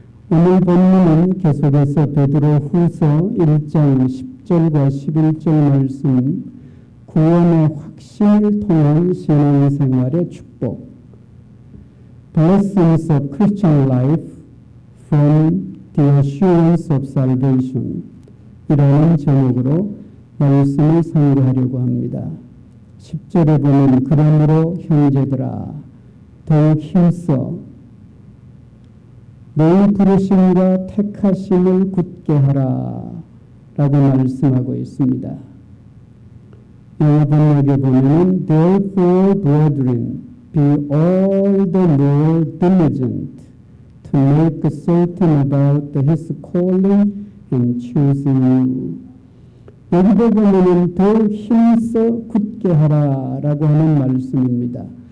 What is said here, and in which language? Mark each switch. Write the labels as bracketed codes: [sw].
[ko] 오늘 본문은 계속해서 베드로 후서 1장 10절과 11절 말씀 구원의 확신을 통한 신앙생활의 축복 [en] Blessings of Christian Life from the Assurance of Salvation [ko] 이라는 제목으로 말씀을 상고하려고 합니다. 10절에 보면 그러므로 형제들아 더욱 힘써 너희 부르심과 택하심을 굳게 하라 라고 말씀하고 있습니다. 영어 번역에 보면 [en] Therefore, brethren, be all the more diligent to make certain about his calling and choosing you. [ko] 여기도 보면 더욱 힘써 굳게 하라 라고 하는 말씀입니다.